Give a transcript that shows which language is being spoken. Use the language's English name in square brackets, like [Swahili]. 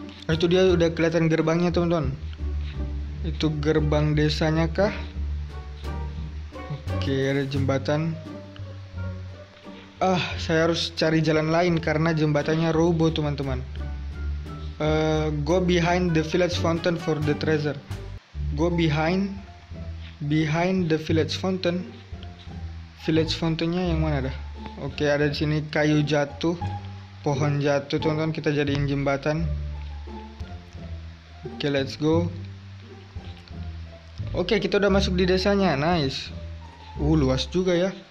[Indonesian] Itu dia udah kelihatan gerbangnya, teman-teman. Itu gerbang desanya kah? Oke, ada jembatan. Ah, saya harus cari jalan lain karena jembatannya roboh, teman-teman. [English] Go behind the village fountain for the treasure. Go behind the village fountain. [Indonesian] Village fountainnya yang mana dah? Oke, ada di sini kayu jatuh, pohon jatuh, teman-teman. Kita jadiin jembatan. Oke, [English] okay, let's go. [Indonesian] Oke, okay, kita udah masuk di desanya. Nice. Luas juga ya.